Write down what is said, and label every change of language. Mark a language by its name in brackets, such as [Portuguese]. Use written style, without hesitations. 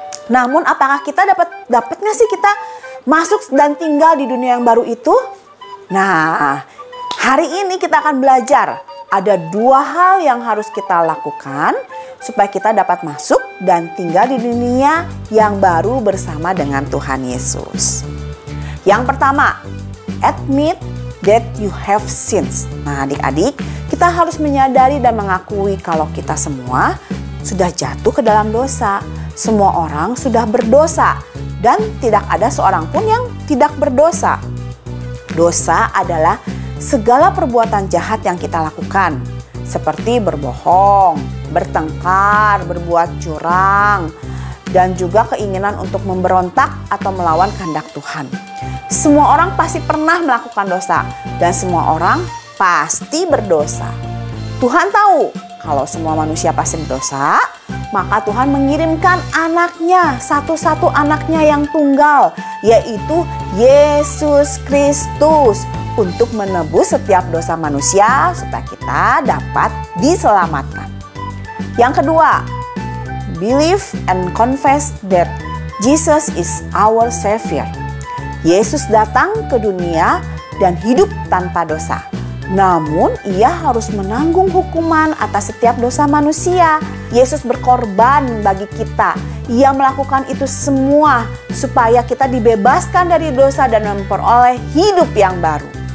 [Indonesian] Namun apakah kita dapat gak sih kita masuk dan tinggal di dunia yang baru itu? Nah, hari ini kita akan belajar. Ada dua hal yang harus kita lakukan supaya kita dapat masuk dan tinggal di dunia yang baru bersama dengan Tuhan Yesus. Yang pertama, [English] admit that you have sins. [Indonesian] Nah adik-adik, kita harus menyadari dan mengakui kalau kita semua sudah jatuh ke dalam dosa. Semua orang sudah berdosa dan tidak ada seorang pun yang tidak berdosa. Dosa adalah segala perbuatan jahat yang kita lakukan, seperti berbohong, bertengkar, berbuat curang, dan juga keinginan untuk memberontak atau melawan kehendak Tuhan. Semua orang pasti pernah melakukan dosa, dan semua orang pasti berdosa. Tuhan tahu kalau semua manusia pasti berdosa, maka Tuhan mengirimkan anaknya, satu-satu anaknya yang tunggal, yaitu Yesus Kristus, untuk menebus setiap dosa manusia supaya kita dapat diselamatkan. Yang kedua, [English] believe and confess that Jesus is our Savior. [Indonesian] Yesus datang ke dunia dan hidup tanpa dosa. Namun ia harus menanggung hukuman atas setiap dosa manusia. Yesus berkorban bagi kita. Ia melakukan itu semua supaya kita dibebaskan dari dosa dan memperoleh hidup yang baru.